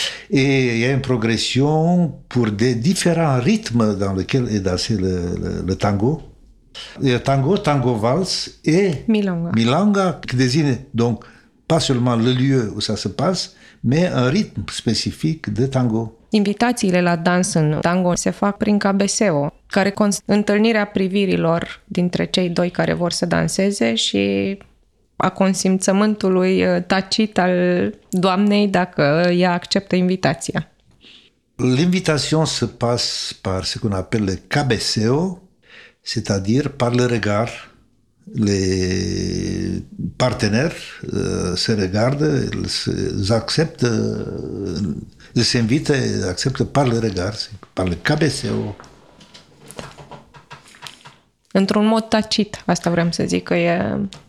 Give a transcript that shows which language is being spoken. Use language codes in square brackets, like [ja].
[fr] Et il y a une progression pour des différents rythmes dans lesquels est dansé le tango. Il y a tango valse et milonga, qui désigne donc pas seulement le lieu où ça se passe, mais un rythme spécifique de tango. [ro] Invitațiile la dans în tango se fac prin cabeseo, care constă întâlnirea privirilor dintre cei doi care vor să danseze și a consimțământului tacit al doamnei dacă ea acceptă invitația. [fr] L'invitation se passe par ce qu'on appelle cabeseo, c'est-à-dire par le regard. Les partenaires se regardent, ils acceptent, ils s'invitent et acceptent par le regard, par le cabeseo. [ro] Într-un mod tacit, asta vreau să zic că e...